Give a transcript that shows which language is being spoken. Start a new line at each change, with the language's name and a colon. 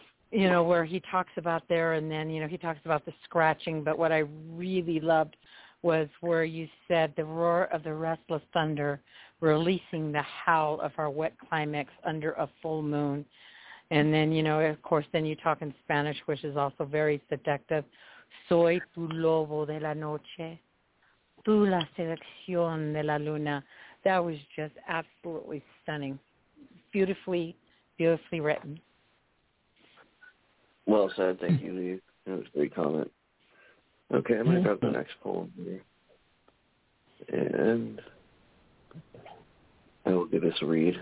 English: You know, where he talks about there, and then, you know, he talks about the scratching. But what I really loved was where you said the roar of the restless thunder releasing the howl of our wet climax under a full moon. And then, you know, of course, then you talk in Spanish, which is also very seductive.
Spanish: Soy tu lobo de la noche, tu la seducción de la luna.
English: That was just absolutely stunning. Beautifully, beautifully written. Well said. Thank you, Lee. That was a great comment. Okay, I'm going to grab the next poem here. And I will give this a read.